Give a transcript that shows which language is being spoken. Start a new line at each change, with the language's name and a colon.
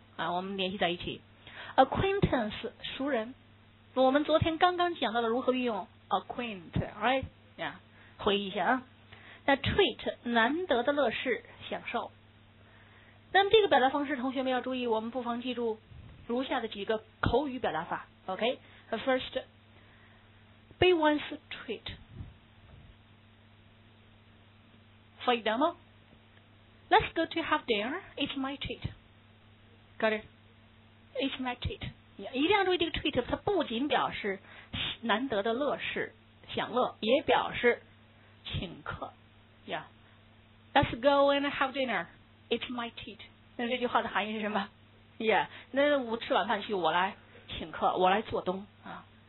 Chinese: 啊，我们联系在一起。Acquaintance, 熟人。我们昨天刚刚讲到了如何运用 acquaint, right? Yeah, 回忆一下啊。那 treat 难得的乐事享受，那么这个表达方式同学们要注意，我们不妨记住如下的几个口语表达法。
English: OK， first be one's treat， for example let's go to have dinner， it's my treat， got it， it's my treat。
Chinese: 一定要注意这个 treat， 它不仅表示难得的乐事享乐，也表示请客。
English: Yeah, let's go and have dinner. It's my treat.
Chinese: 那这句话的含义是什么 ？
English: Yeah,
Chinese: 那我吃晚饭去，我来请客，我来做东啊。